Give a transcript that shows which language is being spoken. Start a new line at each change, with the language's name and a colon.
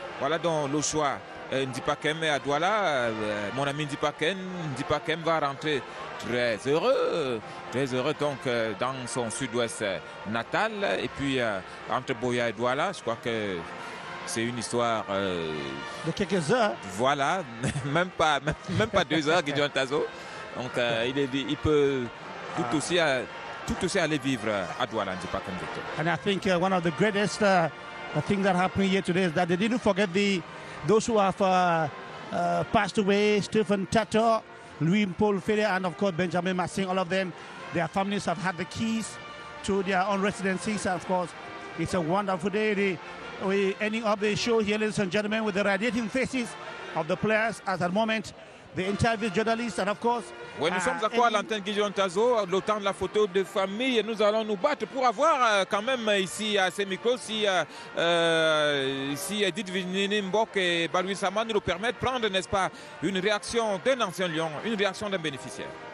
French: Voilà donc le choix. Ndipakem est à Douala, mon ami Ndipakem va rentrer très heureux donc dans son sud-ouest natal. Et puis entre Boya et Douala, je crois que c'est une histoire de quelques heures. Voilà, même pas 2 heures, Gideon Tazo. Donc il peut tout aussi aller vivre à Douala, Ndipakem.
English: And I think one of the greatest things that happened here today is that they didn't forget those who have passed away, Stephen Tato, Louis Paul Ferrer, and of course Benjamin Massing, all of them, their families have had the keys to their own residences. And of course, it's a wonderful day. We're ending up the show here, ladies and gentlemen, with the radiating faces of the players at that moment. The interview journalist, and of course...
French: Oui, nous sommes encore à l'antenne Gideon Tazo, le temps de la photo de famille, et nous allons nous battre pour avoir quand même ici à ces micros, si Edith Vinini Mbok et Balwi Saman nous le permettent, prendre, n'est-ce pas, une réaction d'un ancien Lion, une réaction d'un bénéficiaire.